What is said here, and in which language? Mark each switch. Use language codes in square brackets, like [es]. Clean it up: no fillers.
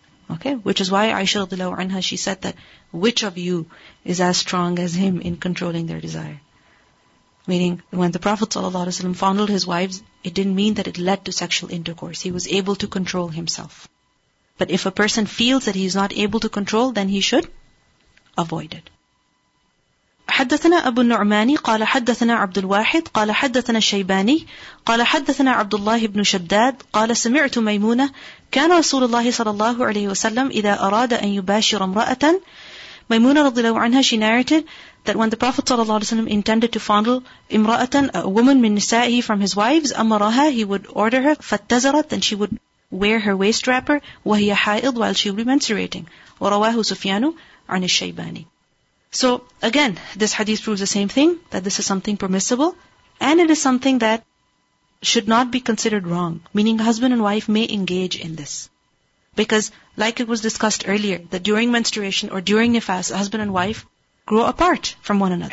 [en] Okay, which is why Aisha radhiyallahu anha, she said that, which of you is as strong as him in controlling their desire? Meaning, when the Prophet ﷺ fondled his wives, it didn't mean that it led to sexual intercourse. He was able to control himself. But if a person feels that he is not able to control, then he should avoid it. [ar] حدثنا أبو النعمان قال حدثنا عبد الواحد قال حدثنا الشيباني قال حدثنا عبد الله بن شداد قال سمعت ميمونة كان رسول الله صلى الله عليه وسلم إذا أراد أن يباشر امرأة. ميمونة رضي الله عنها, [en] she narrated that when the Prophet صلى الله عليه وسلم intended to fondle امرأة, a woman [ar] من نسائه, [en] from his wives, أمرها, he would order her, فاتزرت, and she would wear her waist wrapper, [ar] وهي حائض, [en] while she would be menstruating. [ar] ورواه سفيان عن الشيباني. [en] So again, this hadith proves the same thing, that this is something permissible, and it is something that should not be considered wrong. Meaning husband and wife may engage in this. Because like it was discussed earlier, that during menstruation or during nifas, husband and wife grow apart from one another.